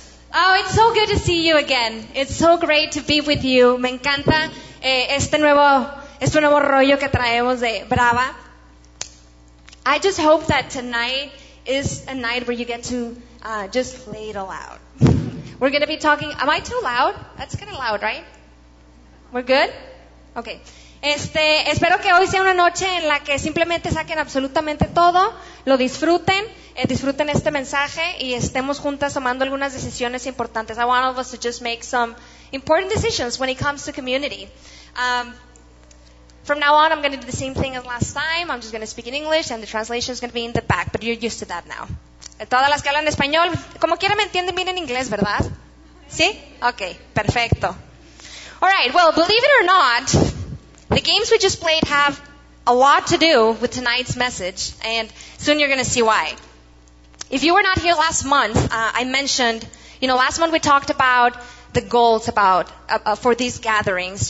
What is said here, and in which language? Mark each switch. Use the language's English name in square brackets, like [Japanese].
[English] Oh, it's so good to see you again. It's so great to be with you. [Spanish] Me encanta este nuevo rollo que traemos de Brava. [English] I just hope that tonight is a night where you get to just lay it all out. We're going to be talking... Am I too loud? That's kind of loud, right? We're good? Okay. [Spanish] Espero que hoy sea una noche en la que simplemente saquen absolutamente todo, lo disfruten, disfruten este mensaje y estemos juntas tomando algunas decisiones importantes. [English] I want all of us to just make some important decisions when it comes to community. From now on, I'm going to do the same thing as last time. I'm just going to speak in English and the translation is going to be in the back, but you're used to that now. [Spanish] Todas las que hablan español, como quiera me entienden bien en inglés, ¿verdad? ¿Sí? Okay, perfecto. [English] All right, well, believe it or not, the games we just played have a lot to do with tonight's message, and soon you're going to see why. If you were not here last month, I mentioned, you know, last month we talked about the goals about for these gatherings.